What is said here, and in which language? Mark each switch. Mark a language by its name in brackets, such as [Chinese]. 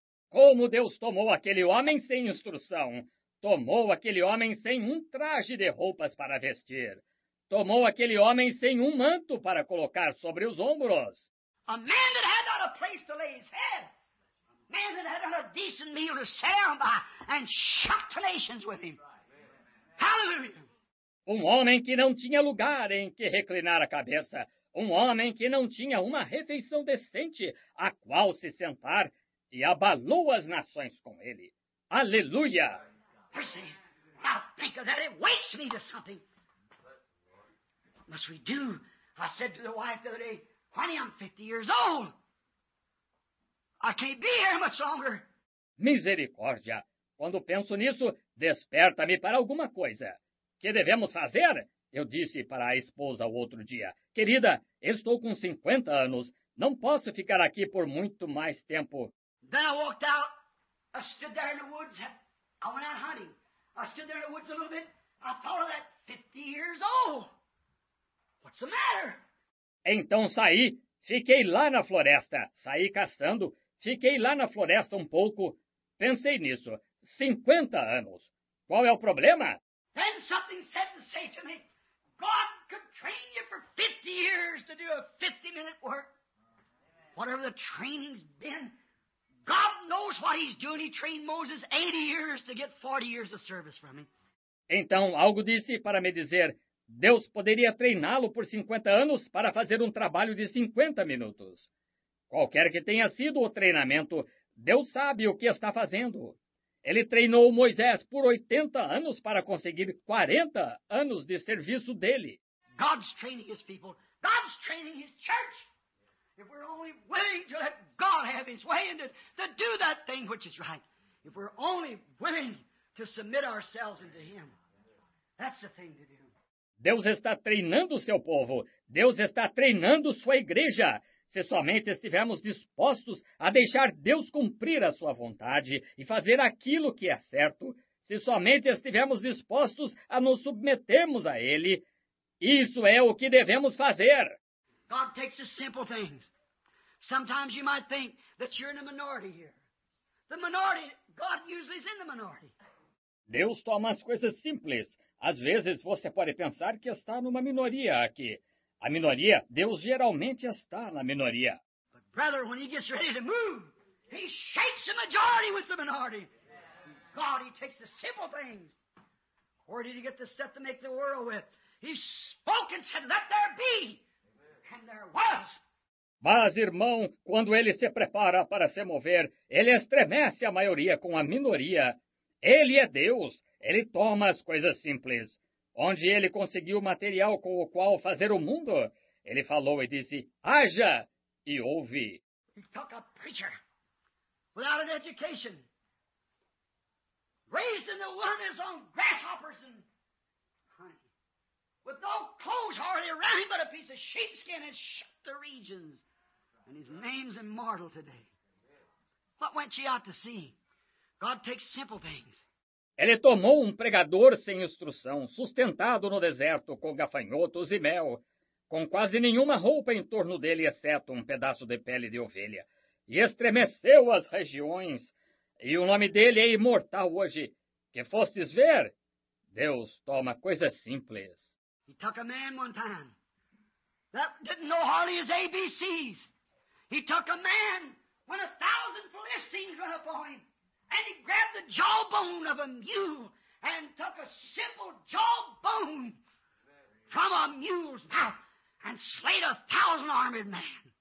[Portuguese] Como Deus tomou aquele homem sem instrução, tomou aquele homem sem um traje de roupas para vestir, tomou aquele homem sem um manto para colocar sobre os ombros. [English] A man that had not a place to lay his head, a man that had not a decent meal to share by and shock the nations with him. Hallelujah! [Portuguese] Um homem que não tinha lugar em que reclinar a cabeça. Um homem que não tinha uma refeição decente a qual se sentar e abalou as nações com ele. Aleluia! [English] Percy, I think of that. It wakes me to something. What must we do? I said to the wife the other day, honey, I'm 50 years old. I can't be here much longer. [Portuguese] Misericórdia. Quando penso nisso, desperta-me para alguma coisa. Que devemos fazer? Eu disse para a esposa o outro dia. Querida, estou com 50 anos. Não posso ficar aqui por muito mais tempo. [English] Then I walked out. I stood there in the woods. I went out hunting. I stood there in the woods a little bit. I thought of that 50 years old. What's the matter? [Portuguese] Então saí. Fiquei lá na floresta. Saí caçando. Fiquei lá na floresta um pouco. Pensei nisso. 50 anos. Qual é o problema? [English] Then something said to say to me, God could train you for 50 years to do a 50-minute work. Whatever the training's been, God knows what he's doing. He trained Moses 80 years to get 40 years of service from him. [Portuguese] Então, algo disse para me dizer, Deus poderia treiná-lo por 50 anos para fazer um trabalho de 50 minutos. Qualquer que tenha sido o treinamento, Deus sabe o que está fazendo. Ele treinou Moisés por 80 anos para conseguir 40 anos de serviço dele. [English] God's training his people. God's training his church. If we're only willing to let God have his way and to do that thing which is right. If we're only willing to submit ourselves unto him. That's the thing to do. [Portuguese] Deus está treinando o seu povo. Deus está treinando sua igreja. Se somente estivermos dispostos a deixar Deus cumprir a sua vontade e fazer aquilo que é certo, se somente estivermos dispostos a nos submetermos a Ele, isso é o que devemos fazer. [English] God takes the simple things. Sometimes you might think that you're in a minority here. The minority, God usually is in the minority. [Portuguese] Deus toma as coisas simples. Às vezes você pode pensar que está numa minoria aqui. A minoria, Deus geralmente está na minoria. [English] But brother, when he gets ready to move, he shakes the majority with the minority. God, he takes the simple things. Where did he get the stuff to make the world with? He spoke and said, let there be. And there was. [Portuguese] Mas, irmão, quando ele se prepara para se mover, ele estremece a maioria com a minoria. Ele é Deus. Ele toma as coisas simples. Onde ele conseguiu o material com o qual fazer o mundo? Ele falou e disse, haja, e ouve. [English] He took a preacher without an education. Raised in the wilderness on grasshoppers and honey. With no clothes hardly around him but a piece of sheepskin and shut the regions. And his name's immortal today. What went she out to see? God takes simple things. [Portuguese] Ele tomou um pregador sem instrução, sustentado no deserto com gafanhotos e mel, com quase nenhuma roupa em torno dele, exceto um pedaço de pele de ovelha, e estremeceu as regiões. E o nome dele é imortal hoje. Que fostes ver? Deus toma coisas simples. [English] He took a man one time that didn't know hardly his ABCs. He took a man when 1,000 Philistines run upon him. And he grabbed the jawbone of a mule and took a simple jawbone from a mule's mouth and slayed 1,000 armed men.